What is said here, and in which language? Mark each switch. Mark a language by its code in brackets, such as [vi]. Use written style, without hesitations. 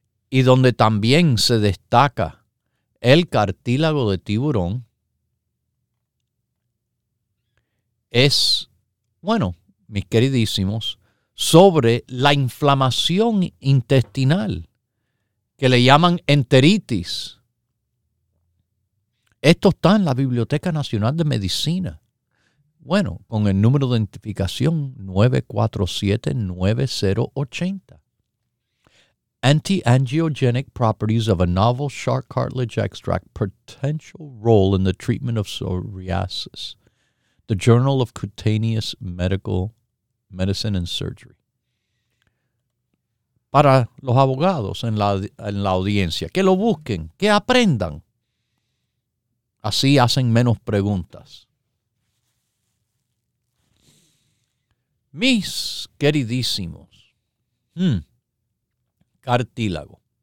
[es] Y donde también se destaca el cartílago de tiburón es, bueno, mis queridísimos, sobre la inflamación intestinal, que le llaman enteritis. Esto está en la Biblioteca Nacional de Medicina. Bueno, con el número de identificación 947-9080. [en] Anti-angiogenic properties of a novel shark cartilage extract, potential role in the treatment of psoriasis. The Journal of Cutaneous Medicine and Surgery. [es] Para los abogados en la audiencia, que lo busquen, que aprendan. Así hacen menos preguntas. Mis queridísimos, cartílago.